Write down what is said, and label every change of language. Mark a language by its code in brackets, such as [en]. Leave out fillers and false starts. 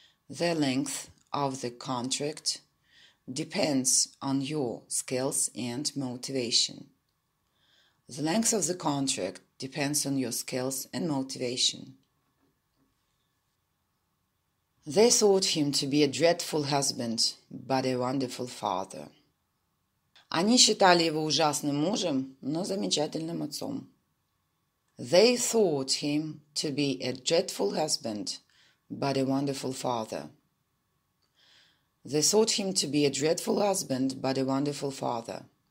[en] The length of the contract depends on your skills and motivation. The length of the contract depends on your skills and motivation. They thought him to be a dreadful husband, but a wonderful father. [ru] Они считали его ужасным мужем, но замечательным отцом. [en] They thought him to be a dreadful husband, but a wonderful father. They thought him to be a dreadful husband, but a wonderful father.